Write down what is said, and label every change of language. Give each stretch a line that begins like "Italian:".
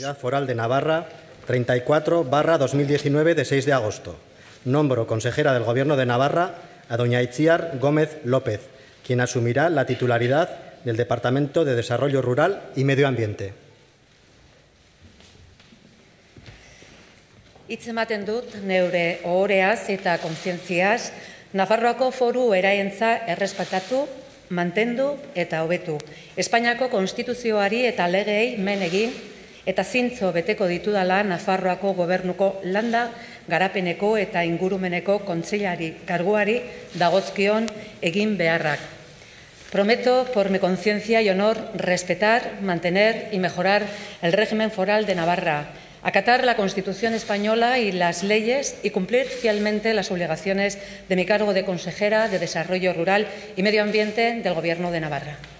Spanish: Comunidad Foral de Navarra, 34/2019, de 6 de agosto. Nombro consejera del Gobierno de Navarra a doña Itziar Gómez López, quien asumirá la titularidad del Departamento de Desarrollo Rural y Medio Ambiente.
Basque: Hitz ematen dut neure ohoreaz eta kontzientziaz, Nafarroako foru eraientza errespetatu, mantendu eta hobetu. Espainiako konstituzioari eta legeei men egin eta zintzo beteko ditudala Nafarroako gobernuko landa, garapeneko eta ingurumeneko kontseilari karguari dagozkion egin beharrak.
Spanish: Prometo por mi conciencia y honor respetar, mantener y mejorar el régimen foral de Navarra, acatar la Constitución española y las leyes y cumplir fielmente las obligaciones de mi cargo de consejera de Desarrollo Rural y Medio Ambiente del Gobierno de Navarra.